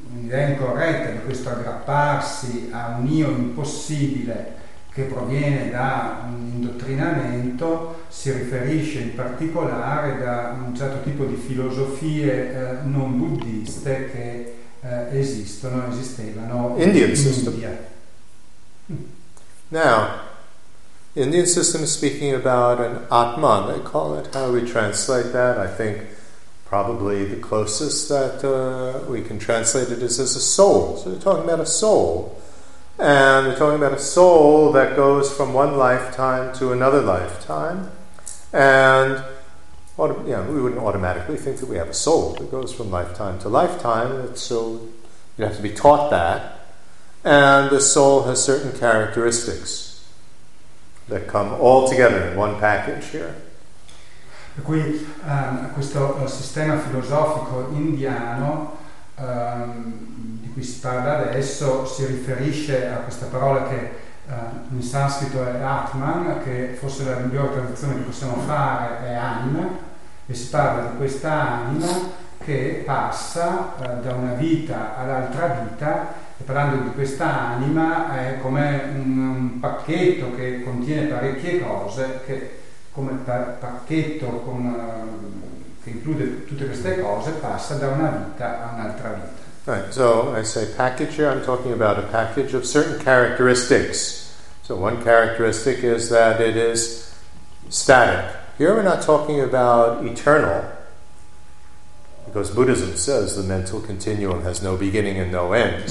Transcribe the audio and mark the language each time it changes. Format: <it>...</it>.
<it>l'idea incorretta di questo aggrapparsi a un io impossibile che proviene da un indottrinamento si riferisce in particolare da un certo tipo di filosofie non buddiste che esistevano</it> <en>Indian in system. India. Now, Indian system is speaking about an Atman, they call it. How we translate that? I think probably the closest that we can translate it is as a soul. So they're talking about a soul. And they're talking about a soul that goes from one lifetime to another lifetime. And we wouldn't automatically think that we have a soul that goes from lifetime to lifetime. So you have to be taught that. And the soul has certain characteristics that come all together in one package here.</en> <it>Per cui questo sistema filosofico indiano di cui si parla adesso si riferisce a questa parola che in sanscrito è Atman, che forse la migliore traduzione che possiamo fare è anima, e si parla di questa anima che passa da una vita all'altra vita, e parlando di questa anima è come un pacchetto che contiene parecchie cose, che come pacchetto che include tutte queste cose passa da una vita a un'altra vita.</it> <en>Right. So I say package here, I'm talking about a package of certain characteristics. So one characteristic is that it is static. Here we're not talking about eternal, because Buddhism says the mental continuum has no beginning and no end.</en>